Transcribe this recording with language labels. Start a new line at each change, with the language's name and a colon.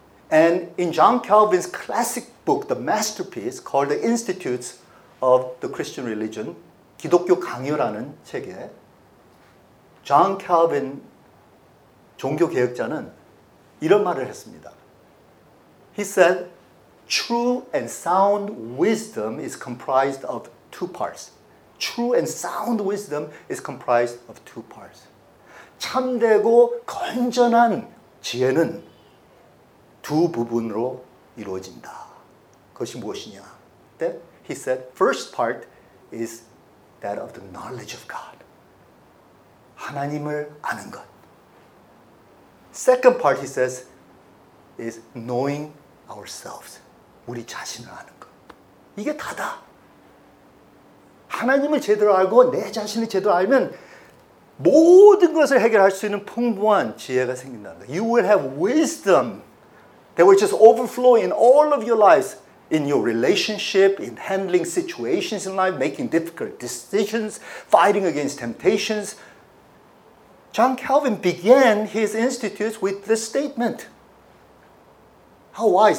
English: And in John Calvin's classic book, the masterpiece called The Institutes of the Christian Religion,
Korean: 기독교 강요라는 책에 John Calvin 종교 개혁자는 이런 말을 했습니다.
English: He said, true and sound wisdom is comprised of two parts. True and sound wisdom is comprised of two parts.
Korean: 참되고 건전한 지혜는 두 부분으로 이루어진다. 그것이 무엇이냐?
English: Then he said, first part is that of the knowledge of God.
Korean: 하나님을 아는 것.
English: Second part, he says, is knowing ourselves.
Korean: 우리 자신을 아는 것. 이게 다다. 하나님을 제대로 알고 내 자신을 제대로 알면 모든 것을 해결할 수 있는 풍부한 지혜가 생긴다.
English: You will have wisdom that will just overflow in all of your lives, in your relationship, in handling situations in life, making difficult decisions, fighting against temptations. John Calvin began his institutes with this statement. How wise.